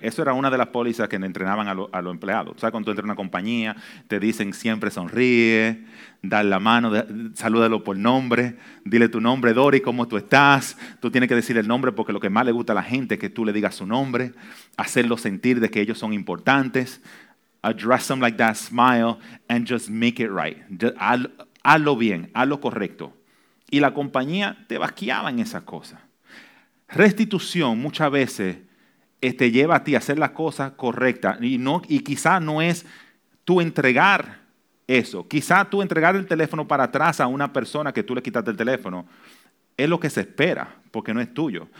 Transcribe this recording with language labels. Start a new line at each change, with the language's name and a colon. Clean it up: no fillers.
Spanish: Eso era una de las pólizas que entrenaban a los empleados. ¿Sabes? Cuando tú entras a una compañía, te dicen siempre sonríe, dale la mano, salúdalo por nombre, dile tu nombre, Dori, ¿cómo tú estás? Tú tienes que decir el nombre porque lo que más le gusta a la gente es que tú le digas su nombre, hacerlo sentir de que ellos son importantes.
English: Address them like that, smile, and just make it right.
Spanish: Hazlo bien, hazlo correcto. Y la compañía te basqueaba en esas cosas. Restitución muchas veces te lleva a ti a hacer las cosas correctas. Y quizá no es tú entregar eso. Quizá tú entregar el teléfono para atrás a una persona que tú le quitaste el teléfono es lo que se espera, porque no es tuyo.